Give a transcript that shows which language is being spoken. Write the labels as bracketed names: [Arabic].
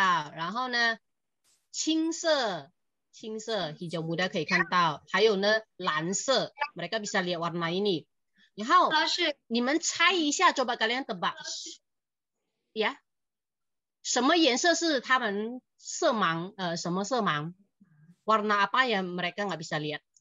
[Chinese] Warna-warni，他可以看到，有一些颜色他可以看，可以分辨出来。然后有一些，啊，哦，对，比如有黄色，他可以看到，然后呢，青色。青色 hijau muda 可以看到，还有呢蓝色 [Indonesian] mereka bisa lihat warna ini. [Chinese] 然后你们猜一下 [Indonesian] coba kalian tebak. Ya. [Chinese] 什么颜色是他们色盲 什么色盲? [Indonesian] Warna apa yang mereka enggak bisa lihat?